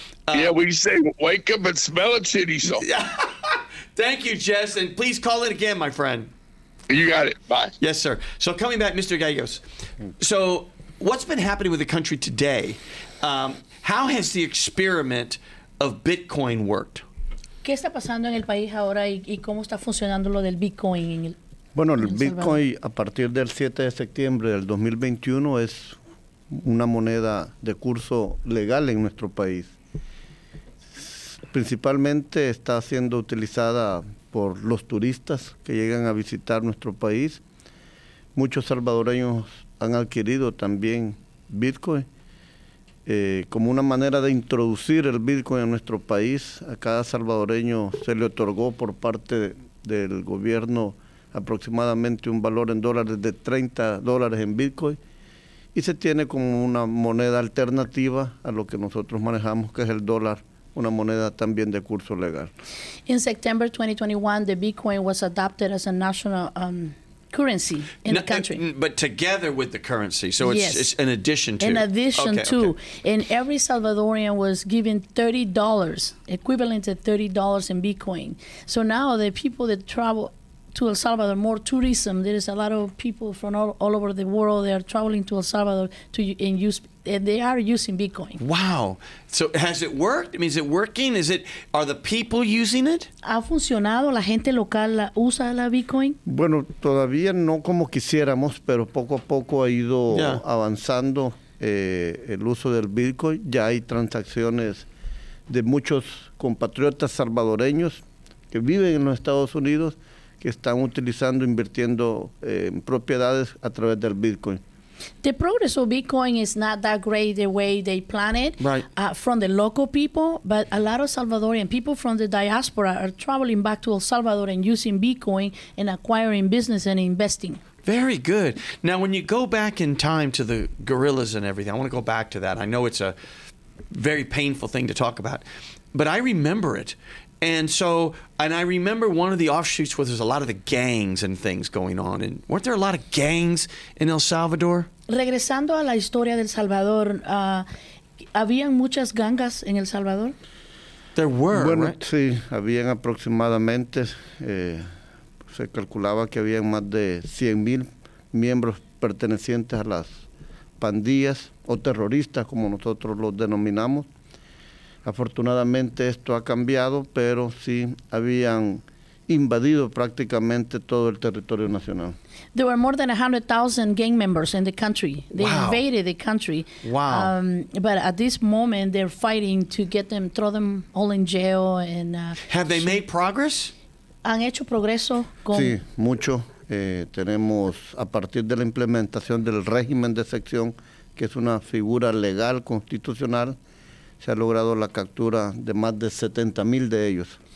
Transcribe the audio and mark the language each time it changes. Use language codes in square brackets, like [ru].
[en] Yeah, we say, wake up and smell a Chorizo. Thank you, Jess, and please call it again, my friend. You got it. Bye. Yes, sir. So coming back, Mr. Gallegos. So what's been happening with the country today? How has the experiment of Bitcoin worked? [es] ¿Qué está pasando en el país ahora y cómo está funcionando lo del Bitcoin? Bueno, el Bitcoin a partir del 7 de septiembre del 2021 es una moneda de curso legal en nuestro país. Principalmente está siendo utilizada por los turistas que llegan a visitar nuestro país. Muchos salvadoreños han adquirido también Bitcoin. Como una manera de introducir el Bitcoin en nuestro país, a cada salvadoreño se le otorgó por parte del gobierno aproximadamente un valor en dólares de $30 en Bitcoin y se tiene como una moneda alternativa a lo que nosotros manejamos, que es el dólar, una moneda también de curso legal. [en] In September 2021, the Bitcoin was adopted as a national currency in the country. But together with the currency. So it's an addition to. And every Salvadorian was given $30, equivalent to $30 in Bitcoin. So now the people that travel to El Salvador, more tourism, there is a lot of people from all over the world that are traveling to El Salvador and they are using Bitcoin. Wow. So has it worked? I mean, is it working? Are the people using it? [es] ¿Ha funcionado? ¿La gente local usa la Bitcoin? Bueno, todavía no como quisiéramos, pero poco a poco ha ido avanzando el uso del Bitcoin. Ya hay transacciones de muchos compatriotas salvadoreños que viven en los Estados Unidos que están utilizando, invirtiendo en propiedades a través del Bitcoin. [en] The progress of Bitcoin is not that great the way they plan it from the local people, but a lot of Salvadorian people from the diaspora are traveling back to El Salvador and using Bitcoin and acquiring business and investing. Very good. Now, when you go back in time to the gorillas and everything, I want to go back to that. I know it's a very painful thing to talk about, but I remember it. And I remember one of the offshoots where there's a lot of the gangs and things going on. And weren't there a lot of gangs in El Salvador? [es] Regresando a la historia del Salvador, ¿habían muchas gangas en El Salvador? [en] There were, [es] bueno, [en] right? [es] Sí, habían aproximadamente, se calculaba que habían más de 100,000 miembros pertenecientes a las pandillas o terroristas, como nosotros los denominamos. Afortunadamente esto ha cambiado, pero sí habían invadido prácticamente todo el territorio nacional. [en] There were more than 100,000 gang members in the country. They invaded the country. Wow. But at this moment, they're fighting to get them, throw them all in jail. And have they made progress? [es] ¿Han hecho progreso? Sí, mucho. Tenemos, a partir de la implementación del régimen de excepción, que es una figura legal, constitucional, se ha logrado la captura de más de 70,000 de ellos.